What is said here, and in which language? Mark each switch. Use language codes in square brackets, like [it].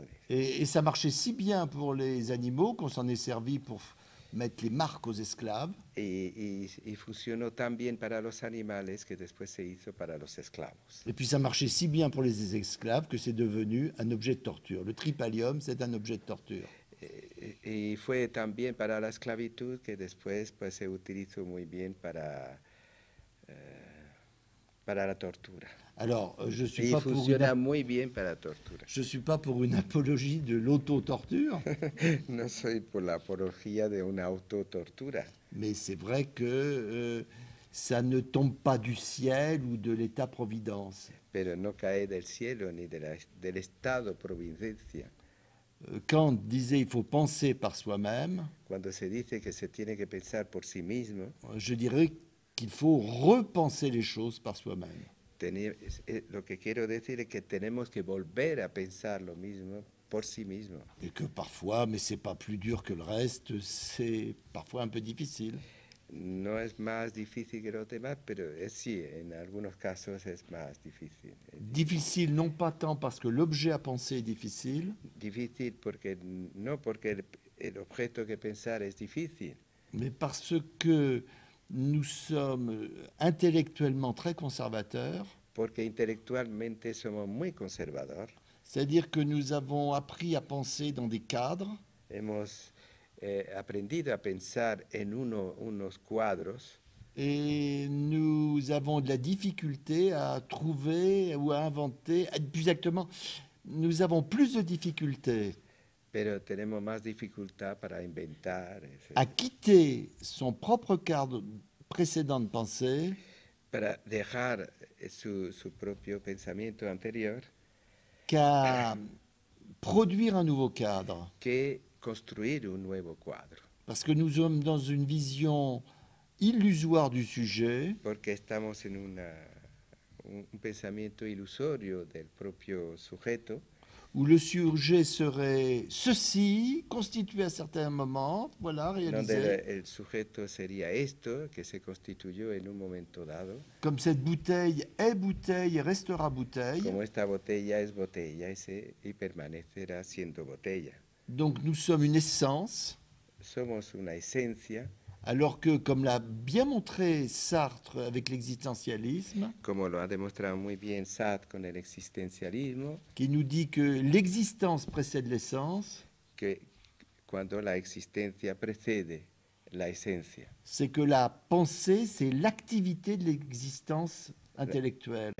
[fr] Et ça marchait si bien pour les animaux qu'on s'en est servi pour mettre les marques aux esclaves. [es] Et fonctionna tan bien para los animales que después se hizo para los esclavos. [fr] Et puis ça marchait si bien pour les esclaves que c'est devenu un objet de torture. Le tripalium, c'est un objet de torture. [es] Et fue tan bien para la esclavitud que después pues se utilizó muy bien para la tortura. [fr] Alors, je ne suis pas pour une... [es] muy bien para la tortura. [fr] Je suis pas pour une apologie de l'auto-torture. [es] No soy por la apología de una auto-tortura. [fr] Mais c'est vrai que ça ne tombe pas du ciel ou de l'État-providence. [es] Pero no cae del cielo ni del Estado-providencia. [fr] Kant disait il faut penser par soi-même. [es] Cuando se dice que se tiene que pensar por sí mismo. [fr] Je dirais qu'il faut repenser les choses par soi-même. [es] Lo que quiero decir es que tenemos que volver a pensar lo mismo por sí mismo. Y que [fr] parfois, mais c'est pas plus dur que le reste, c'est parfois un peu difficile. [es] No es más difícil que los demás, pero sí, en algunos casos es más difícil. [fr] Difficile non pas tant parce que l'objet à penser est difficile. [es] Difícil porque no porque el objeto que pensar es difícil. [fr] Mais parce que nous sommes intellectuellement très conservateurs. [es] Porque intelectualmente somos muy conservadores. [fr] C'est-à-dire que nous avons appris à penser dans des cadres. [es] Hemos aprendido a pensar en unos cuadros. [fr] Et nous avons de la difficulté à trouver ou à inventer. Plus exactement, nous avons plus de difficultés. [es] Pero tenemos más dificultad para inventar. [fr] A quitter son propre cadre précédent de pensée. [es] Para dejar su propio pensamiento anterior. [fr] Qu'à produire un nouveau cadre. [es] Que construir un nuevo cuadro. [fr] Parce que nous sommes dans une vision illusoire du sujet. [es] Porque estamos en un pensamiento ilusorio del propio sujeto. [fr] Où le sujet serait ceci, constitué à certains moments, voilà, réalisé. [es] El sujeto sería esto, que se constituyó en un momento dado. [fr] Comme cette bouteille est bouteille et restera bouteille. [es] Como esta botella es botella y permanecerá siendo botella. [fr] Donc nous sommes une essence. [es] Somos una esencia. [fr] Alors que, comme l'a bien montré Sartre avec l'existentialisme, [es] como lo ha demostrado muy bien Sartre con el existencialismo, [fr] qui nous dit que l'existence précède l'essence, [es] que cuando la existencia precede la esencia. [fr] C'est que la pensée, c'est l'activité de l'existence intellectuelle.